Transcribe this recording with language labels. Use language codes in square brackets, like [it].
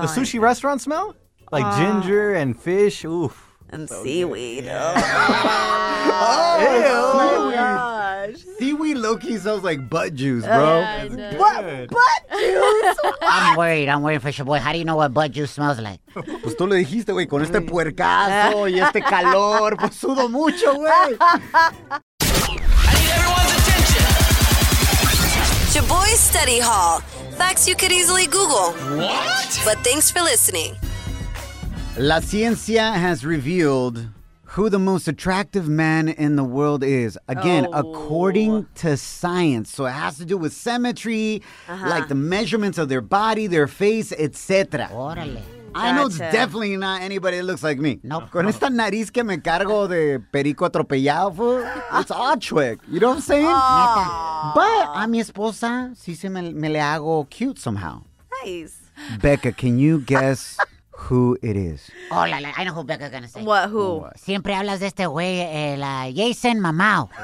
[en] the sushi restaurant smell? Like ginger and fish, oof. And so seaweed. Oh, ew. Seaweed. Seaweed low-key sounds like butt juice, bro. Butt juice? I'm worried for your boy. How do you know what butt juice smells like? [es] Pues tú le dijiste, güey, con este puercazo y este calor. Pues sudo mucho, güey. [en] Boys Study Hall. Facts you could easily Google. What? But thanks for listening. [es] La ciencia [en] has revealed who the most attractive man in the world is. Again, according to science. So it has to do with symmetry, like the measurements of their body, their face, etc. [es] Órale. [en] I know it's definitely not anybody that looks like me. Nope. [es] Con esta nariz que me cargo de perico atropellado, [en] fool, it's all trick. You know what I'm saying? But [es] a mi esposa, sí se me le hago [en] cute somehow. Nice. Becca, can you guess who it is? Oh, I know who Becca's going to say. What, who? [es] Siempre hablas de este güey, el Jason Mamao.